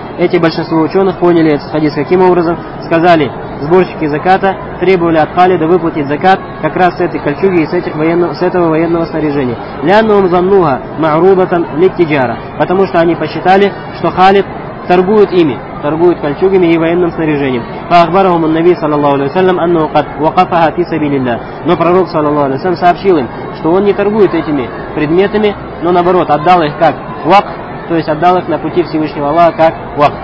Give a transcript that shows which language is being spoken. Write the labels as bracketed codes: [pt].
[ru] Эти большинство ученых поняли этот хадис каким образом? Сказали, сборщики заката требовали от Халида выплатить закат как раз с этой кольчуги и с этого военного снаряжения. [ar] Лянум замнуха маарубатан литтиджара. [ru] Потому что они посчитали, что Халид торгует ими. Торгуют кольчугами и военным снаряжением. [ar] فأخبرهم النبي صلى الله عليه وسلم أنه قد وقفها في سبيل الله. [ru] Но пророк صلى الله عليه وسلم сообщил им, что он не торгует этими предметами, но наоборот отдал их как вакф, то есть отдал их на пути Всевышнего Аллаха как вакф.